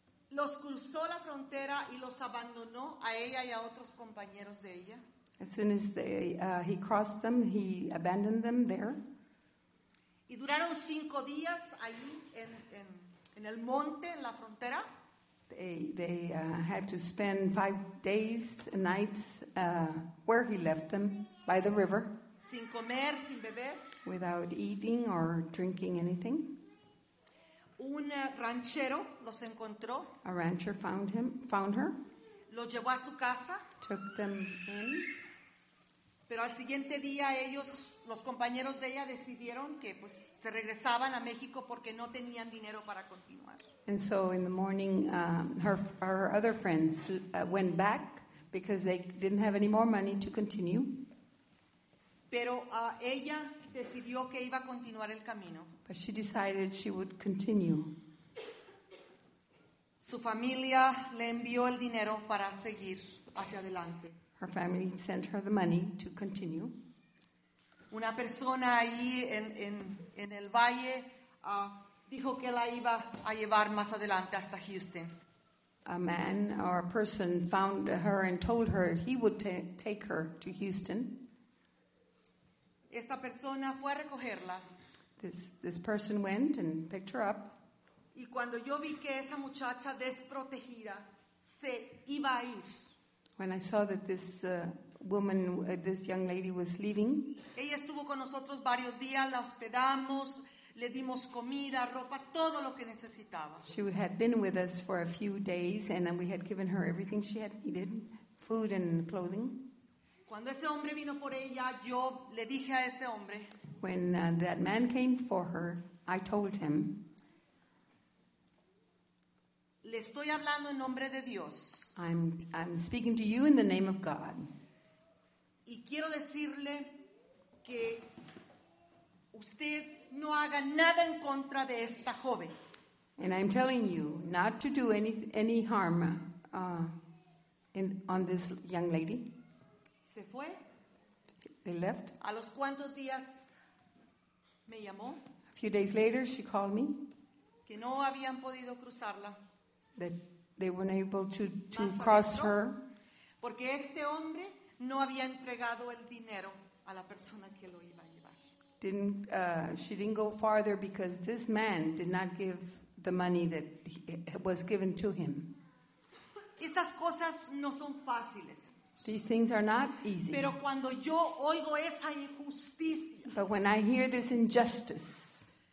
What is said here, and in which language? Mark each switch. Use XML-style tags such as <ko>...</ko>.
<es>Los cruzó la frontera y los abandonó a ella y a otros compañeros de ella.</es> <en>As soon as he crossed them, he abandoned them there.</en> <es>Y duraron 5 días allí en el monte, en la frontera.</es> <en>They had to spend 5 days and nights where he left them, by the river.</en> <es>Sin comer, sin beber.</es> <en>Without eating or drinking anything.</en> <es>Un ranchero los encontró.</es> <en>A rancher found her.</en> <es>Lo llevó a su casa.</es> <en>Took them in.</en> <es>Pero al siguiente día ellos, los compañeros de ella, decidieron que pues se regresaban a México porque no tenían dinero para continuar.</es> <en>And so in the morning, her other friends went back because they didn't have any more money to continue.</en> <es>Pero ella decidió que iba a continuar el camino.</es> <en>But she decided she would continue.</en> <es>Su familia le envió el dinero para seguir hacia adelante.</es> <en>Her family sent her the money to continue.</en> <es>Una persona ahí en el valle dijo que la iba a llevar más adelante hasta Houston.</es> <en>A man or a person found her and told her he would take her to Houston.</en> <es>Esta persona fue a recogerla.</es> <en>This person went and picked her up.</en> <es>Y cuando yo vi que esa muchacha desprotegida se iba a ir.</es> <en>When I saw that this woman, this young lady was leaving.</en> <es>Ella estuvo con nosotros varios días, la hospedamos, le dimos comida, ropa, todo lo que necesitaba.</es> <en>She had been with us for a few days and we had given her everything she had needed, food and clothing.</en> <es>Cuando ese hombre vino por ella, yo le dije a ese hombre.</es> <en>When that man came for her, I told him.</en> <es>Le estoy hablando en nombre de Dios.</es> <en>I'm speaking to you in the name of God.</en> <es>Y quiero decirle que usted no haga nada en contra de esta joven.</es> <en>And I'm telling you not to do any harm on this young lady.</en> <es>Se fue.</es> <en>They left.</en> <es>A los cuantos días me llamó.</es> <en>A few days later she called me.</en> <es>Que no habían podido cruzarla.</es> <en>That they weren't able to cross her.</en> <es>Porque este hombre no había entregado el dinero a la persona que lo iba a llevar.</es> <en>She didn't go farther because this man did not give the money that was given to him.</en> <es>Estas cosas no son fáciles.</es> <en>These things are not easy.</en> <es>Pero cuando yo oigo esa injusticia,</es> <en>but when I hear this injustice,</en>